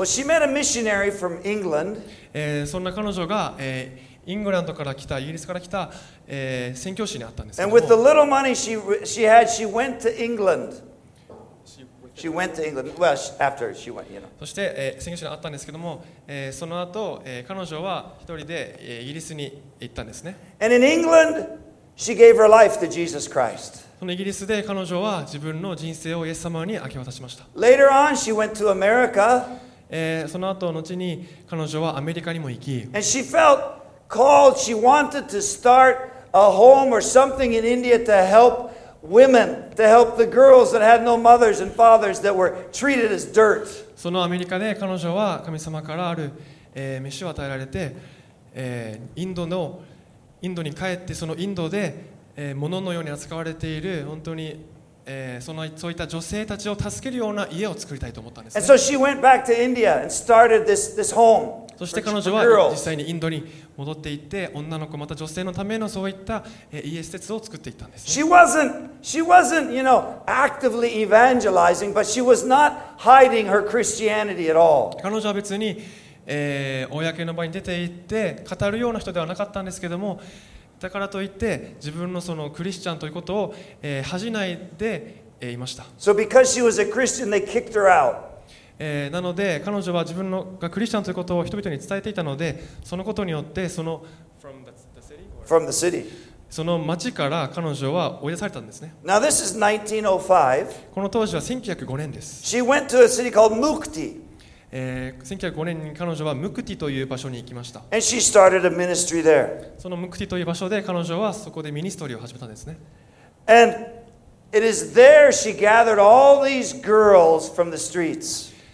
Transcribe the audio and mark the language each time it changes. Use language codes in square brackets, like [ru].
[en] Well, she met a missionary from England. [ja] そんな彼女が、イングランドから来た、イギリスから来た、宣教師に会ったんですけども。 [en] And with the little money she had, she went to England. She went to England. Well, after she went, you know. [ja] そして、宣教師に会ったんですけども、その後、彼女は一人で、イギリスに行ったんですね。 [en] And in England, she gave her life to Jesus Christ. [ja] そのイギリスで彼女は自分の人生をイエス様に明け渡しました。 [en] Later on, she went to America. [ja] その後、後に彼女はアメリカにも行き。 [en] And she feltcalled, she wanted to start a home or something in India to help women, to help the girls that had no mothers and fathers that were treated as dirt. [ja] そのアメリカで彼女は神様からある、召しを与えられて、インドに帰ってそのインドで、物のように扱われている本当に、そういった女性たちを助けるような家を作りたいと思ったんですね。 [en] And so she went back to India and started this home. [ja] そして彼女は実際にインドに戻っていって、女の子また女性のためのそういった家施設を作っていったんです、ね。 [en] She wasn't, you know, actively evangelizing, but she was not hiding her Christianity at all. [ja] 彼女は別に、公の場に出て行って語るような人ではなかったんですけども。だからといって自分 の, そのクリスチャンということを、恥じないで、いました。 [en] So because she was a Christian, they kicked her out. [ja] なので彼女は自分のがクリスチャンということを人々に伝えていたので、そのことによってその [en] from the city. [ja] その町から彼女は追い出されたんですね。 [en] Now this is 1905. [ja] この当時は1905年です。 [en] She went to a city called Mukti. [ja] 1905年に彼女はムクティという場所に行きました。 [en] And she started a ministry there. [ja] そのムクティという場所で彼女はそこでミニストリーを始めたんですね。 [en] And it is there she gathered all these girls from the streets.